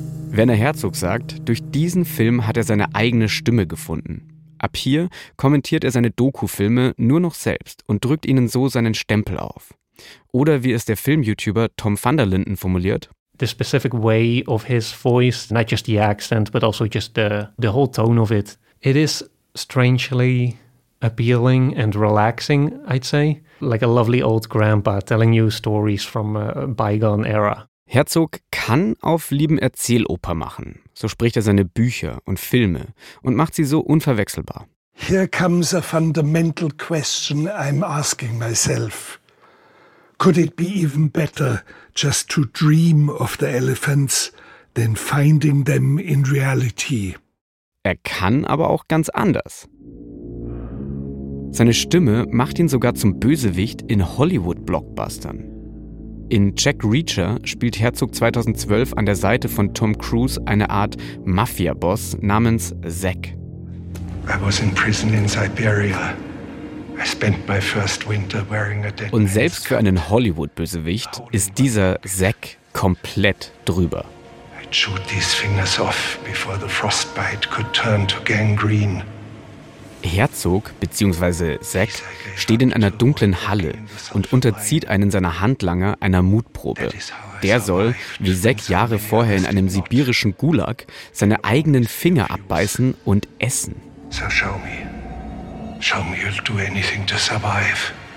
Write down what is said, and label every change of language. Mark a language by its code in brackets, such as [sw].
[de] Werner Herzog sagt, durch diesen Film hat er seine eigene Stimme gefunden. Ab hier kommentiert er seine Doku-Filme nur noch selbst und drückt ihnen so seinen Stempel auf. Oder wie es der Film-YouTuber Tom van der Linden formuliert: [en] The specific way of his voice, not just the accent, but also just the whole tone of it. It is strangely appealing and relaxing, I'd say. Like a lovely old grandpa telling you stories from a bygone era. [de] Herzog kann auf Lieben Erzähloper machen. So spricht er seine Bücher und Filme und macht sie so unverwechselbar. [en] Here comes a fundamental question I'm asking myself. Could it be even better just to dream of the elephants than finding them in reality? [de] Er kann aber auch ganz anders. Seine Stimme macht ihn sogar zum Bösewicht in Hollywood-Blockbustern. In Jack Reacher spielt Herzog 2012 an der Seite von Tom Cruise eine Art Mafia-Boss namens Zack. [en] I was in prison in Siberia. I spent my first winter wearing a dead man's. [de] Und selbst für einen Hollywood-Bösewicht ist dieser Zack komplett drüber. [en] I'd shoot these fingers off before the frostbite could turn to gangrene. [de] Herzog bzw. Zack steht in einer dunklen Halle und unterzieht einen seiner Handlanger einer Mutprobe. Der soll, wie Zack Jahre vorher in einem sibirischen Gulag, seine eigenen Finger abbeißen und essen. [en] So show me. Show me you'll do anything to survive.